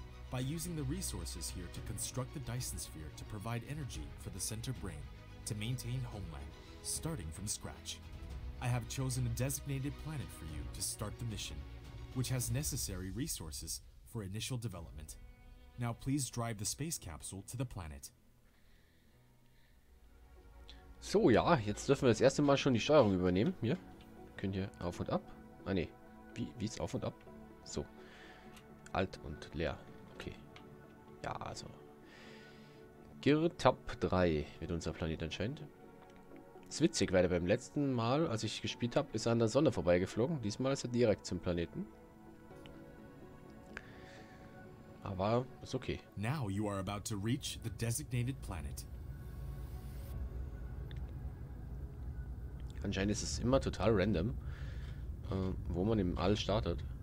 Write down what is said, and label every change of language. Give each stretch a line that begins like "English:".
English: By using the resources here to construct the Dyson Sphere to provide energy for the center brain to maintain homeland, starting from scratch. I have chosen a designated planet for you to start the mission, which has necessary resources for initial development. Now please drive the space capsule to the planet.
German: So, ja, jetzt dürfen wir das erste Mal schon die Steuerung übernehmen, hier. Könnt ihr auf und ab? Ah ne, wie ist auf und ab? So, alt und leer. Okay, ja, also. Girtap 3 wird unser Planet anscheinend. Ist witzig, weil er beim letzten Mal, als ich gespielt habe, ist er an der Sonne vorbeigeflogen. Diesmal ist er direkt zum Planeten. Aber ist okay.
English: Now you are about to reach the designated planet.
German: Anscheinend ist es immer total random, wo man im All startet.